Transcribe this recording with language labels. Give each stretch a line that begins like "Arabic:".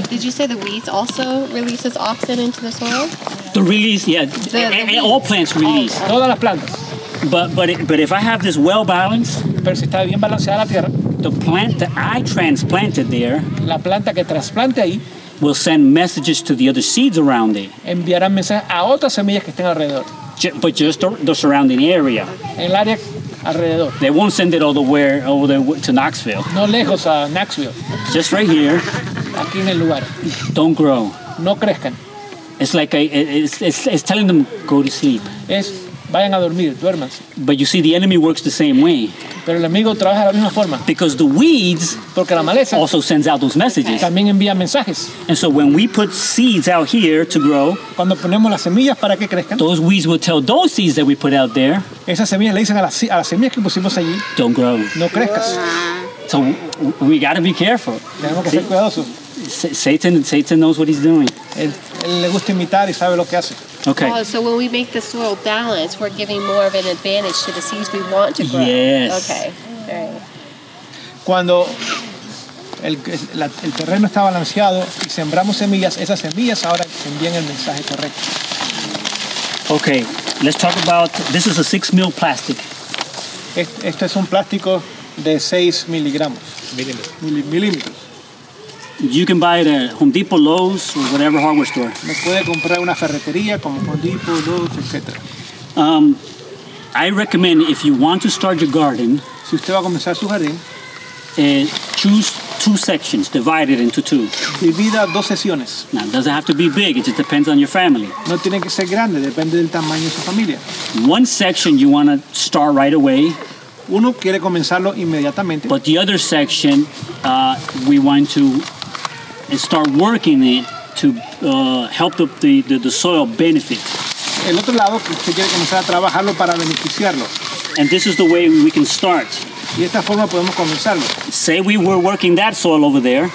English: Did you say the weeds also releases oxygen into the soil? The release, yeah. The all plants release.
Spanish: Todas las plantas.
English: But if I have this well balanced,
Spanish: pero si está bien balanceada la tierra,
English: the plant that I transplanted there,
Spanish: la planta que trasplante ahí,
English: will send messages to the other seeds around it.
Spanish: Enviarán mensajes a otras semillas que estén alrededor.
English: But just the surrounding area.
Spanish: En el área alrededor.
English: They won't send it all the way over there to Knoxville.
Spanish: No lejos a Knoxville.
English: Just right here.
Spanish: Aquí en el lugar.
English: Don't grow.
Spanish: No crezcan.
English: It's like it's telling them go to sleep.
Spanish: Es vayan a dormir, duerman.
English: But you see, the enemy works the same way.
Spanish: Pero el enemigo trabaja de la misma forma.
English: Because the weeds,
Spanish: porque la maleza,
English: also sends out those messages.
Spanish: También envía mensajes.
English: And so when we put seeds out here to grow,
Spanish: cuando ponemos las semillas para que crezcan,
English: those weeds will tell those seeds that we put out there.
Spanish: Esas semillas le dicen a las semillas que pusimos allí.
English: Don't grow.
Spanish: No crezcas.
English: So we got to be careful.
Spanish: Tenemos que ser cuidadosos.
English: Satan knows what he's doing.
Spanish: Él le gusta imitar y sabe lo que hace.
English: Okay. Oh, so when we make the soil balanced, we're giving more of an advantage to the seeds we want to grow. Yes. Okay. All right.
Spanish: Cuando el terreno está balanceado y sembramos semillas, esas semillas ahora envían el mensaje correcto.
English: Okay. Let's talk about this is a 6 mil plastic.
Spanish: Esto es un plástico de 6 miligramos. Milímetros.
English: You can buy it at Home Depot, Lowe's, or whatever hardware store.
Spanish: Me puede comprar una ferretería como Home Depot, Lowe's, etc.
English: I recommend if you want to start your garden,
Spanish: si usted va a comenzar su jardín,
English: choose two sections, divide it into two.
Spanish: Divida dos sesiones.
English: Now, it doesn't have to be big, it just depends on your family.
Spanish: No tiene que ser grande, depende del tamaño de su familia.
English: One section you want to start right away.
Spanish: Uno quiere comenzarlo inmediatamente.
English: But the other section, we want to start working it to help the soil benefit.
Spanish: El otro lado, se quiere comenzar a trabajarlo para beneficiarlo.
English: And this is the way we can start.
Spanish: Y esta forma podemos comenzarlo.
English: Say we were working that soil over there.